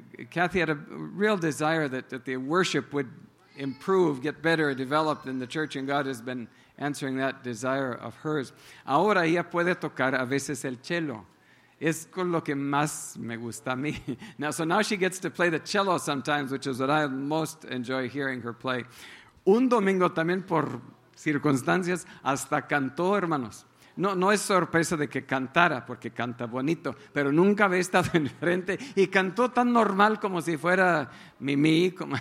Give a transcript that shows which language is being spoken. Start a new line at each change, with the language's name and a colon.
English: Kathy had a real desire that the worship would improve, get better, develop in the church, and God has been answering that desire of hers.
Spanish: Ahora ella puede tocar a veces el cello. Es con lo que más me gusta a mí.
English: Now she gets to play the cello sometimes, which is what I most enjoy hearing her play.
Spanish: Un domingo también, por circunstancias, hasta cantó, hermanos. No es sorpresa de que cantara, porque canta bonito, pero nunca había estado enfrente y cantó tan normal como si fuera Mimi.